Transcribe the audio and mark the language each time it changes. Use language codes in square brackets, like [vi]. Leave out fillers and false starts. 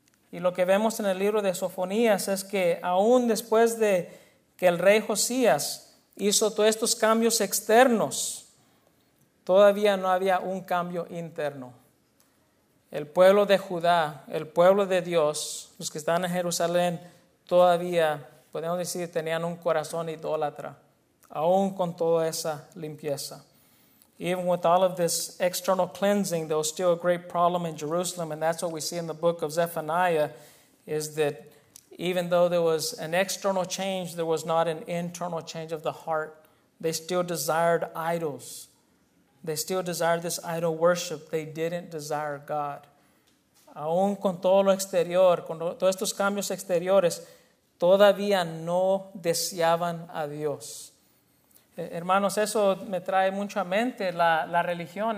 [es] Y lo que vemos en el libro de Sofonías es que aún después de que el rey Josías hizo todos estos cambios externos, todavía no había un cambio interno. El pueblo de Judá, el pueblo de Dios, los que están en Jerusalén, todavía, podemos decir, tenían un corazón idólatra, aún con toda esa limpieza. [en] Even with all of this external cleansing, there was still a great problem in Jerusalem. And that's what we see in the book of Zephaniah, is that even though there was an external change, there was not an internal change of the heart. They still desired idols. They still desired this idol worship. They didn't desire God. [es] Aún con todo lo exterior, con todos estos cambios exteriores, todavía no deseaban a Dios. Hermanos, eso me trae mucho a mente la religión.